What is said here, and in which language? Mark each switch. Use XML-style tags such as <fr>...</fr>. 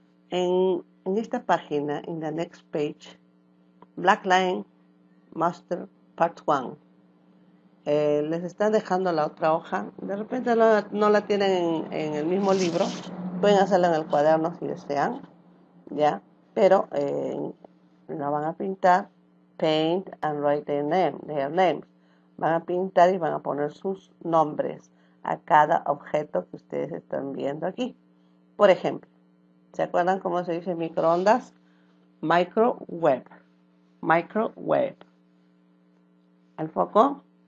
<es>En esta página, en la next page, Black Lion Master Part 1. Les están dejando la otra hoja. De repente no la tienen en el mismo libro. Pueden hacerla en el cuaderno si desean, ¿ya? Pero la van a pintar,</es> <en>paint and write their name, their names.</en> <es>Van a pintar y van a poner sus nombres a cada objeto que ustedes están viendo aquí. Por ejemplo, ¿se acuerdan cómo se dice microondas?</es> <en>Microwave. Microwave.</en> <es>¿El foco?</es>